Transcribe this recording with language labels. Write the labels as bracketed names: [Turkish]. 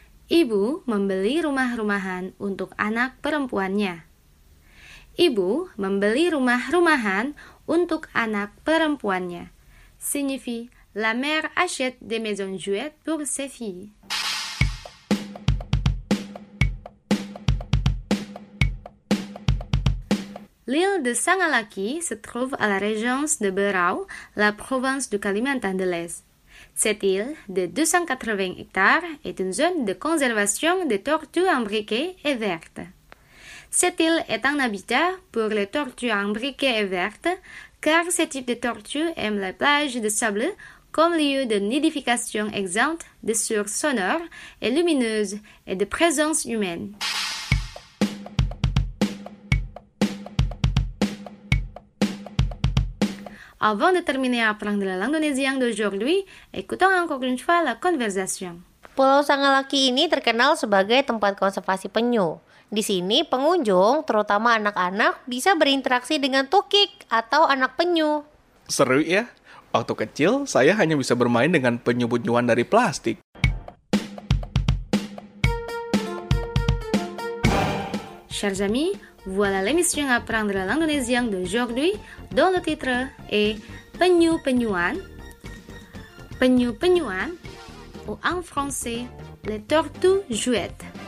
[Indonesian] Ibu membeli rumah-rumahan untuk anak perempuannya. Ibu membeli rumah-rumahan untuk anak perempuannya. [French] Signifie la mère achète des maisons jouettes pour ses filles. L'île de Sangalaki se trouve à la région de Berau, la province du Kalimantan de l'Est. Cette île de 280 hectares est une zone de conservation des tortues imbriquées et vertes. Cette île est un habitat pour les tortues imbriquées et vertes, car ce type de tortue aime les plages de sable comme lieu de nidification exempte de sources sonores et lumineuses et de présence humaine. Avant de terminer à apprendre l'indonésien d'aujourd'hui, écoutons encore une fois la conversation. [Indonesian] Pulau Sangalaki ini terkenal sebagai tempat konservasi penyu. Di sini, pengunjung, terutama anak-anak, bisa berinteraksi dengan tukik atau anak penyu. Seru ya. Waktu kecil, saya hanya bisa bermain dengan penyu-penyuan dari plastik. [French] Chers amis, voilà l'émission Apprendre l'indonésien d'aujourd'hui, dont le titre est Penyu-penyuan. Penyu-penyuan, ou en français, les tortues jouettes.